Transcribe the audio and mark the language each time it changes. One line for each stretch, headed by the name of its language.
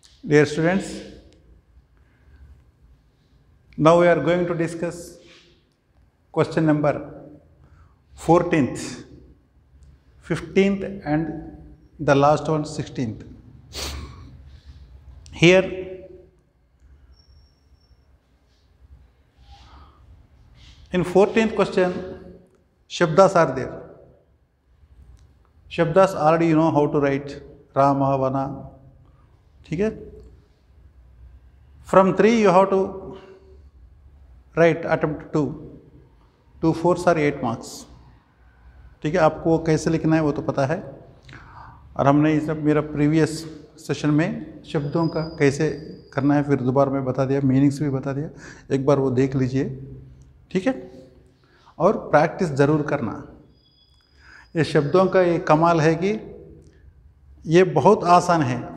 English: Dear students, now we are going to discuss question number 14th, 15th and the last one 16th। Here in 14th question शब्दास are there. Shabdas already you know how to write Rama, Vana, okay? From 3 you have to write attempt 2, 2 4s are 8 marks, okay?
Hindi: आपको वो कैसे लिखना है वो तो पता है, और हमने ये सब मेरा previous session में शब्दों का कैसे करना है फिर दोबारा मैं बता दिया, meanings भी बता दिया, एक बार वो देख लीजिए, ठीक है? और practice ज़रूर करना। ये शब्दों का ये कमाल है कि ये बहुत आसान है।